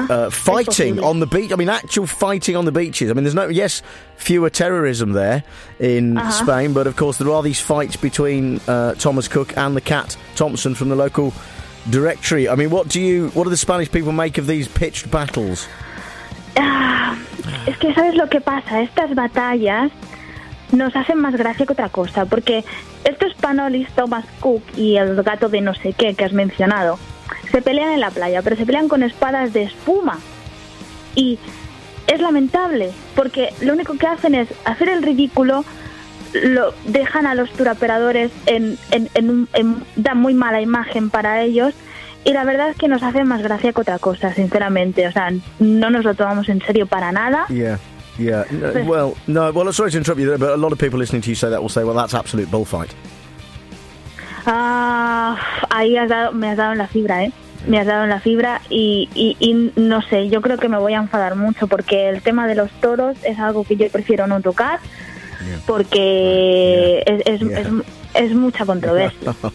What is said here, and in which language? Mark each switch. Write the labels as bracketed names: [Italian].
[English] Fighting on the beach. I mean, actual fighting on the beaches. I mean, there's no, yes, fewer terrorism there in Spain, but of course there are these fights between Thomas Cook and the cat Thompson from the local directory. I mean, what do the Spanish people make of these pitched battles? [Spanish] Es que sabes lo que pasa, estas batallas nos hacen más gracia que otra cosa, porque estos españoles, Thomas Cook y el gato de no sé qué que has mencionado, se pelean en la playa, pero se pelean con espadas de espuma. Y es lamentable, porque lo único que hacen es hacer el ridículo, lo dejan a los tour operadores en da muy mala imagen para ellos, y la verdad es que nos hace más gracia que otra cosa, sinceramente. O sea, no nos lo tomamos en serio para nada. [English] Yeah. Well, sorry to interrupt you there, but a lot of people listening to you say that will say, well, that's absolute bullfight. [Spanish] Ahí me has dado en la fibra, ¿eh? Me has dado en la fibra y no sé, yo creo que me voy a enfadar mucho porque el tema de los toros es algo que yo prefiero no tocar porque es mucha controversia.